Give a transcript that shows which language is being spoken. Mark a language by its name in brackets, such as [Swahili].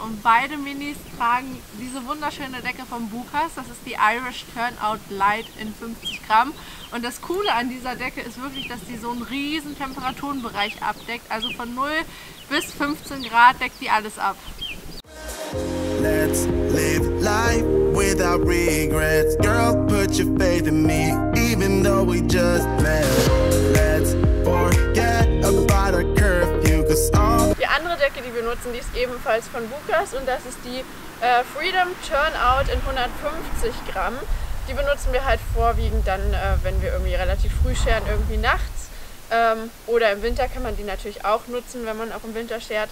[German] Und beide Minis tragen diese wunderschöne Decke von Bukas. Das ist die Irish Turnout Light in 50 Gramm. Und das Coole an dieser Decke ist wirklich, dass sie so einen riesen Temperaturenbereich abdeckt. Also von 0 bis 15 Grad deckt die alles ab. [English] Let's live life without regrets. Girl, put your faith in me, even though we just met. Let's forget about our curfew, cause all. [German] Die andere Decke, die wir nutzen, die ist ebenfalls von Bukas und das ist die Freedom Turnout in 150 Gramm. Die benutzen wir halt vorwiegend dann, wenn wir irgendwie relativ früh scheren, irgendwie nachts. Oder im Winter kann man die natürlich auch nutzen, wenn man auch im Winter schert.